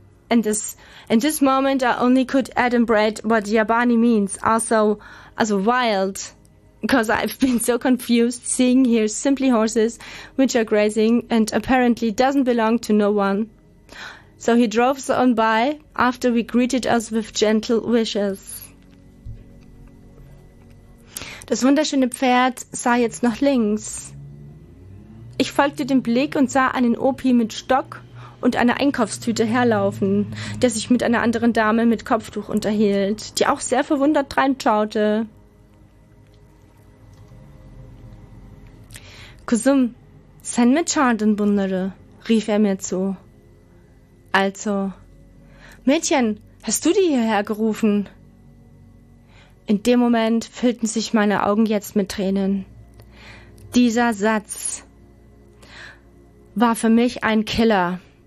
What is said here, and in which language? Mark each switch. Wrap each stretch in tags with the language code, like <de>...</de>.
<en>In this moment I only could adumbrate what yabani means, also as wild, because I've been so confused seeing here simply horses which are grazing and apparently doesn't belong to no one. So he drove on by after we greeted us with gentle wishes.</en> <de>Das wunderschöne Pferd sah jetzt nach links. Ich folgte dem Blick und sah einen Opi mit Stock und einer Einkaufstüte herlaufen, der sich mit einer anderen Dame mit Kopftuch unterhielt, die auch sehr verwundert reinschaute.</de> <tr>Kusum, sen mi çağırdın bunları?</tr> <de>Rief er mir zu. Also, Mädchen, hast du die hierher gerufen? In dem Moment füllten sich meine Augen jetzt mit Tränen. Dieser Satz war für mich ein Killer.</de>